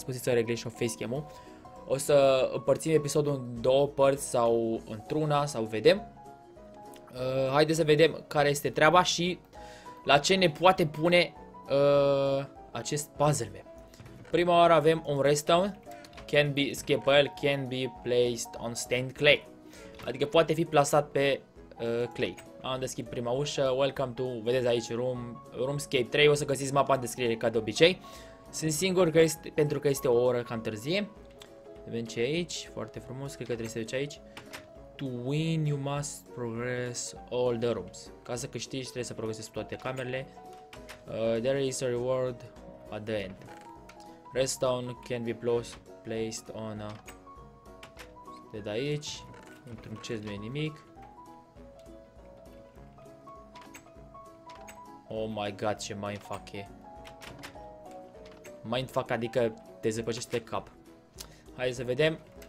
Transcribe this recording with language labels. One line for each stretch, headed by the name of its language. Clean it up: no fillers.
Romanian: Am spus să reglești o facecam-ul. O să împărțim episodul în două părți sau într-una, sau vedem. Haideți să vedem care este treaba și la ce ne poate pune acest puzzle map. Prima oară avem un redstone.
English: Can be scalpel, can be placed on stained clay.
Romanian: Adică poate fi plasat pe clay. Am deschis prima ușă,
English: welcome to,
Romanian: vedeți aici, Roomscape 3, o să găsiți mapa în descriere ca de obicei. Sunt singur că este, pentru că este o oră cam târzie. Vedem ce e aici, foarte frumos, cred că trebuie să duci aici.
English: To win you must progress all the rooms.
Romanian: Ca să câștigi trebuie să progresezi toate camerele.
English: There is a reward at the end. Redstone can be placed on a...
Romanian: De aici, într-un chest nu e nimic.
English: Oh my god,
Romanian: ce mindfuck e. Mindfuck adică te zăpăcește cap. Hai să vedem.